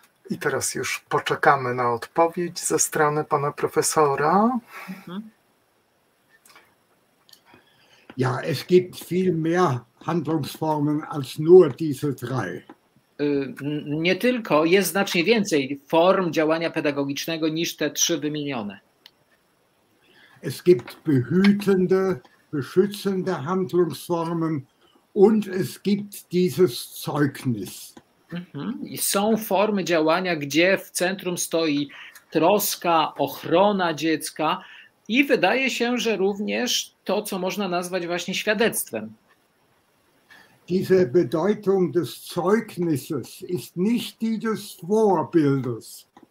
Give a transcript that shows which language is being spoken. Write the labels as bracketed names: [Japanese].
[Polish] I teraz już poczekamy na odpowiedź ze strony pana profesora. [German] Ja, es gibt viel mehr Handlungsformen als nur diese drei. [Polish] Nie tylko, jest znacznie więcej form działania pedagogicznego niż te trzy wymienione. [German] Es gibt behütende, beschützende Handlungsformen und es gibt dieses Zeugnis. [Polish] I są formy działania, gdzie w centrum stoi troska, ochrona dziecka i wydaje się, że również to, co można nazwać właśnie świadectwem. [German] Diese Bedeutung des Zeugnisses ist nicht die des Vorbildes.